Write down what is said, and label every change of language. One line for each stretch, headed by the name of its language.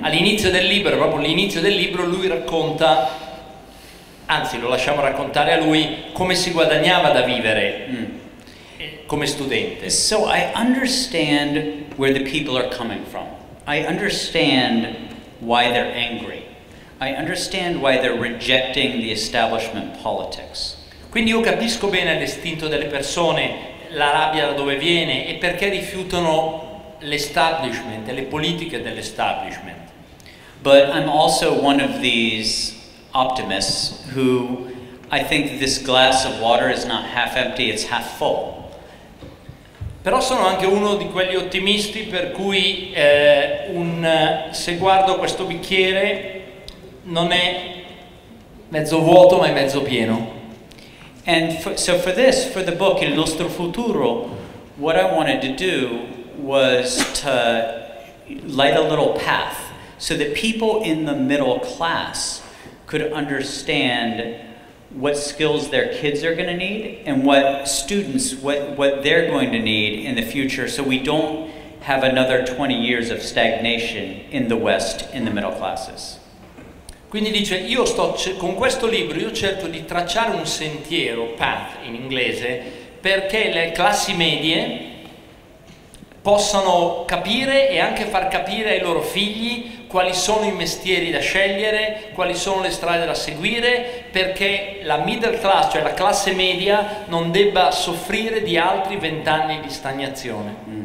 Italian: All'inizio del libro, proprio all'inizio del libro, lui racconta, anzi lo lasciamo raccontare a lui, come si guadagnava da vivere come studente.
English: So I understand where the people are coming from. I understand why they're angry. I understand why they're rejecting the establishment politics.
Italian: Quindi io capisco bene l'istinto delle persone, la rabbia da dove viene e perché rifiutano l'establishment, le politiche dell'establishment.
English: But I'm also one of these optimists who I think this glass of water is not half empty, it's half full.
Italian: Però sono anche uno di quegli ottimisti per cui se guardo questo bicchiere non è mezzo vuoto ma è mezzo pieno.
English: And so for this, for the book Il nostro futuro, what I wanted to do was to light a little path so that people in the middle class could understand what skills their kids are going to need and what students, what they're going to need in the future, so we don't have another 20 years of stagnation in the West in the middle classes.
Italian: Quindi dice, io sto con questo libro, io cerco di tracciare un sentiero, path in inglese, perché le classi medie possano capire e anche far capire ai loro figli quali sono i mestieri da scegliere, quali sono le strade da seguire, perché la middle class, cioè la classe media, non debba soffrire di altri 20 anni di stagnazione.